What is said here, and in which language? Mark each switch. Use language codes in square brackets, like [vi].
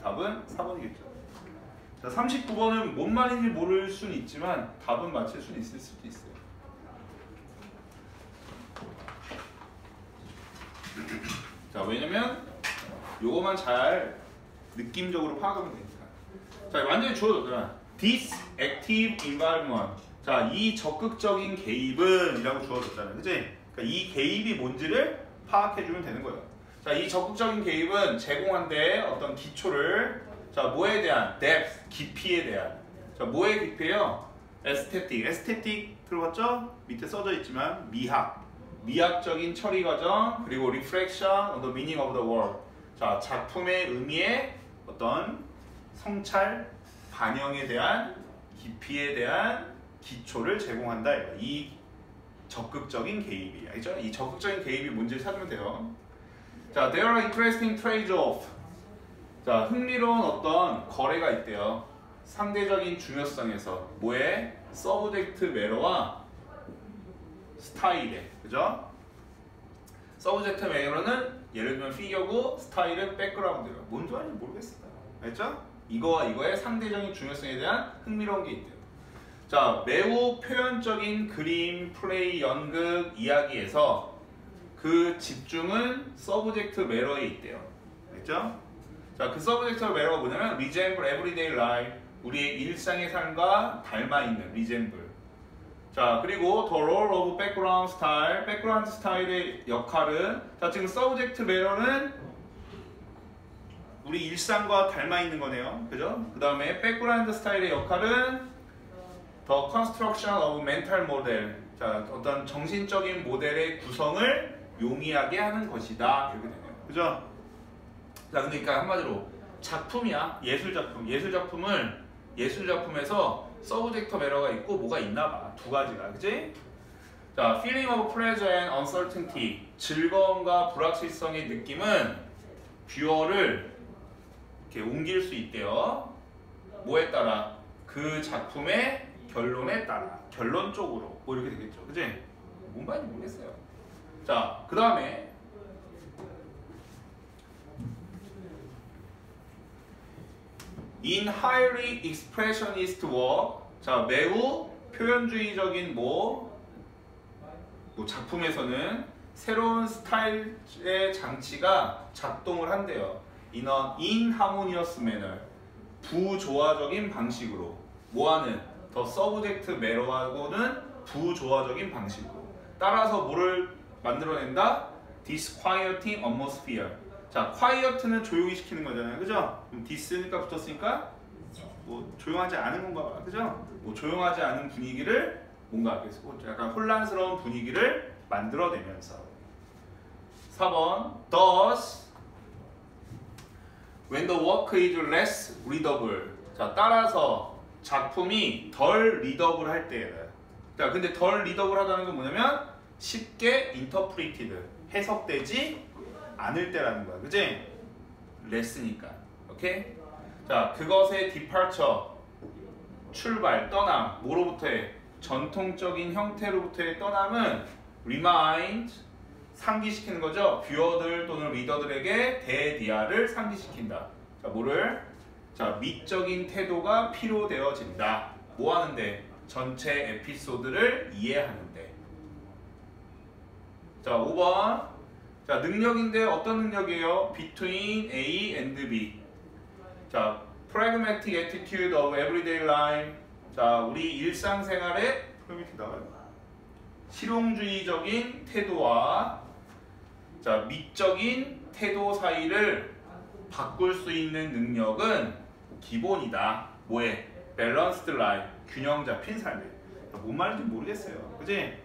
[ko] 답은 4번이겠죠. 자, 39번은 뭔 말인지 모를 순 있지만 답은 맞힐 수 있을 수도 있어요. 자, 왜냐면 요거만 잘 느낌적으로 파악하면 되니까. 자, 완전히 줄어들잖아. [en] This active involvement. [ko] 자, 이 적극적인 개입은 이라고 주어졌잖아요. 그치? 그러니까 이 개입이 뭔지를 파악해주면 되는 거예요. 자, 이 적극적인 개입은 제공한 데 어떤 기초를, 자, 뭐에 대한? depth, 깊이에 대한. 자, 뭐의 깊이에요? aesthetic. aesthetic 들어봤죠? 밑에 써져 있지만 미학. 미학적인 처리 과정, 그리고 [en] reflection on the meaning of the world. [ko] 자, 작품의 의미에 어떤 성찰, 반영에 대한, 깊이에 대한 기초를 제공한다. 이 적극적인 개입이. 알죠? 이 적극적인 개입이 뭔지를 찾으면 돼요. [en] 자, there are interesting trade-offs. [ko] 자, 흥미로운 어떤 거래가 있대요. 상대적인 중요성에서. 뭐에? subject matter와 스타일에. 그죠? subject matter는 예를 들면 figure고, 스타일은 background. 뭔지 아닌지 모르겠어요. 알죠? 이거와 이거의 상대적인 중요성에 대한 흥미로운 게 있대요. 자, 매우 표현적인 그림, 플레이, 연극, 이야기에서 그 집중은 서브젝트 매러에 있대요. 알겠죠? 자, 그 서브젝트 매러가 뭐냐면 [en] resemble everyday life, [ko] 우리의 일상의 삶과 닮아있는 resemble. 자, 그리고 [en] the role of background style, [ko] background style의 역할은, 자, 지금 서브젝트 매러는 우리 일상과 닮아있는 거네요. 그죠? 그 다음에 [en] background style의 역할은 the construction of mental model. [ko] 자, 어떤 정신적인 모델의 구성을 용이하게 하는 것이다. 이렇게 되네요. 그죠? 자, 그러니까 한마디로 작품이야. 예술작품. 예술작품을, 예술작품에서 subject matter가 있고 뭐가 있나 봐. 두 가지가. 그지? [en] 자, feeling of pleasure and uncertainty. [ko] 즐거움과 불확실성의 느낌은 뷰어를 이렇게 옮길 수 있대요. 뭐에 따라? 그 작품의 결론에 따라. 결론 쪽으로. 뭐 이렇게 되겠죠. 그지? 뭔 말인지 모르겠어요. 자, 그 다음에 [en] In highly expressionist work. [ko] 자, 매우 표현주의적인 뭐 작품에서는 새로운 스타일의 장치가 작동을 한대요. [en] In an inharmonious manner. [ko] 부조화적인 방식으로. 뭐하는? The subject matter하고는 부조화적인 방식으로. 따라서 뭐를 만들어낸다? [en] Disquieting atmosphere. [ko] 자, quiet는 조용히 시키는 거잖아요. 그죠? dis니까 붙었으니까 뭐 조용하지 않은 건가 봐. 그죠? 뭐 조용하지 않은 분위기를 뭔가 계속 약간 혼란스러운 분위기를 만들어내면서. 4번. [en] Thus, when the work is less readable. [ko] 자, 따라서 작품이 덜 readable 할 때. 자, 근데 덜 readable 하다는 건 뭐냐면 쉽게 interpreted, 해석되지 않을 때라는 거야. 그치? less니까. 오케이? 자, 그것의 departure, 출발, 떠남, 뭐로부터의? 전통적인 형태로부터의 떠남은 remind, 상기시키는 거죠. 뷰어들 또는 리더들에게 대디아를 상기시킨다. 자, 뭐를? 자, 미적인 태도가 필요되어진다. 뭐 하는데? 전체 에피소드를 이해하는데. 자, 5번. 자, 능력인데 어떤 능력이에요? [en] Between A and B. 자, pragmatic attitude of everyday life. [ko] 자, 우리 일상생활의 실용주의적인 태도와 자, 미적인 태도 사이를 바꿀 수 있는 능력은 기본이다. 뭐에? [en] balanced life. [ko] 균형 잡힌 삶에. 뭔 말인지 모르겠어요. 그지?